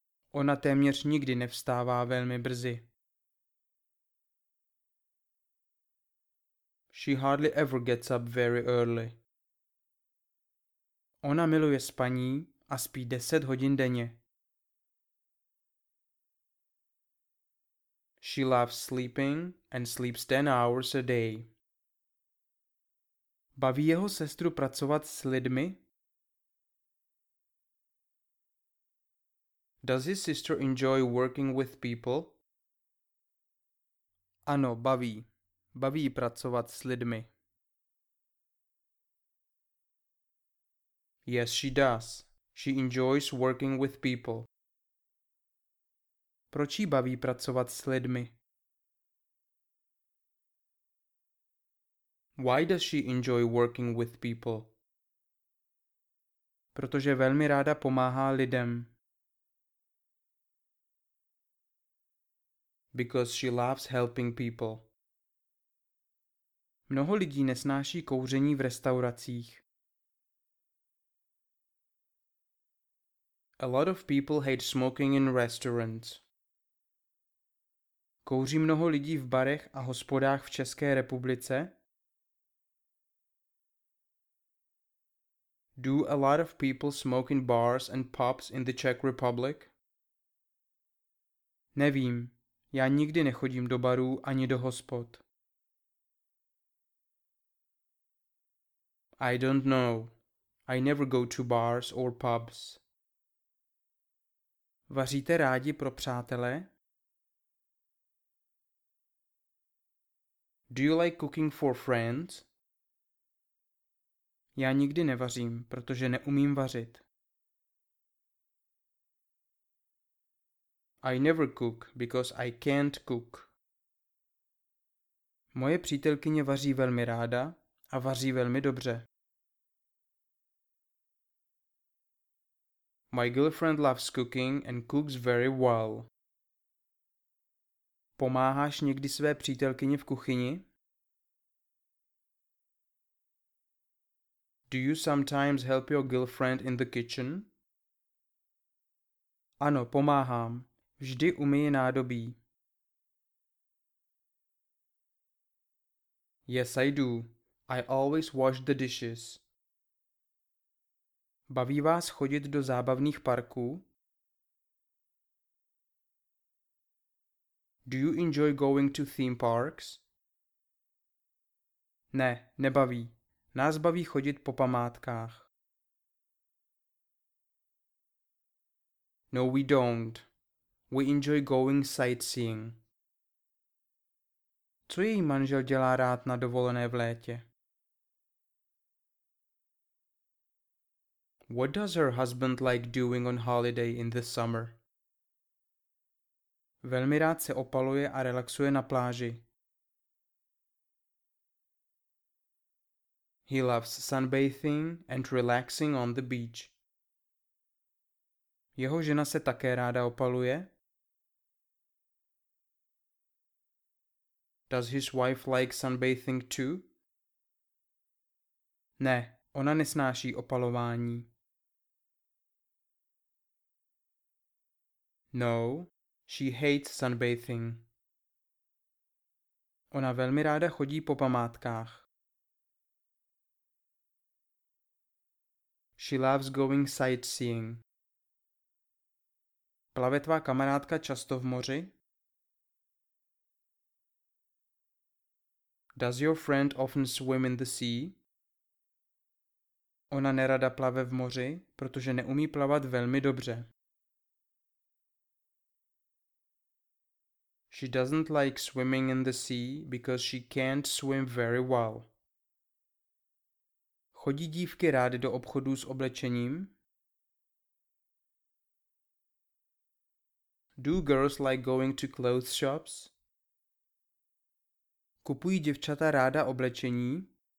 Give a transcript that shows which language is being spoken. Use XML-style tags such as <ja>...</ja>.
<cs>Ona téměř nikdy nevstává velmi brzy.</cs> <en>She hardly ever gets up very early.</en> <cs>Ona miluje spaní a spí 10 hodin denně.</cs> <en>She loves sleeping and sleeps 10 hours a day.</en> <cs>Baví jeho sestru pracovat s lidmi?</cs> <en>Does his sister enjoy working with people?</en> <cs>Ano, baví. Baví pracovat s lidmi.</cs> <en>Yes, she does. She enjoys working with people.</en> <cs>Proč jí baví pracovat s lidmi?</cs> <en>Why does she enjoy working with people?</en> <cs>Protože velmi ráda pomáhá lidem.</cs> <en>Because she loves helping people.</en> <cs>Mnoho lidí nesnáší kouření v restauracích.</cs> <en>A lot of people hate smoking in restaurants.</en> <cs>Kouří mnoho lidí v barech a hospodách v České republice?</cs> <en>Do a lot of people smoke in bars and pubs in the Czech Republic?</en> <cs>Nevím. Já nikdy nechodím do barů ani do hospod.</cs> <en>I don't know. I never go to bars or pubs.</en> <cs>Vaříte rádi pro přátele?</cs> <en>Do you like cooking for friends?</en> <cs>Já nikdy nevařím, protože neumím vařit.</cs> <en>I never cook because I can't cook.</en> <cs>Moje přítelkyně vaří velmi ráda a vaří velmi dobře.</cs> <en>My girlfriend loves cooking and cooks very well.</en> <cs>Pomáháš někdy své přítelkyni v kuchyni?</cs> <en>Do you sometimes help your girlfriend in the kitchen?</en> <cs>Ano, pomáhám. Vždy umyji nádobí.</cs> <en>Yes, I do. I always wash the dishes.</en> <cs>Baví vás chodit do zábavných parků?</cs> <en>Do you enjoy going to theme parks?</en> <cs>Ne, nebaví. Nás baví chodit po památkách.</cs> <en>No, we don't. We enjoy going sightseeing.</en> <cs>Co její manžel dělá rád na dovolené v létě?</cs> <en>What does her husband like doing on holiday in the summer?</en> <cs>Velmi rád se opaluje a relaxuje na pláži.</cs> <en>He loves sunbathing and relaxing on the beach.</en> <cs>Jeho žena se také ráda opaluje.</cs> <en>Does his wife like sunbathing too?</en> <cs>Ne, ona nesnáší opalování.</cs> <en>No, she hates sunbathing.</en> <cs>Ona velmi ráda chodí po památkách.</cs> <en>She loves going sightseeing.</en> <cs>Plave tvá kamarádka často v moři?</cs> <en>Does your friend often swim in the sea?</en> <cs>Ona nerada plave v moři, protože neumí plavat velmi dobře.</cs> <en>She doesn't like swimming in the sea because she can't swim very well.</en> <cs>Chodí dívky rády do obchodů s oblečením?</cs> <en>Do girls like going to clothes shops?</en> <cs>Kupují děvčata ráda oblečení?</cs>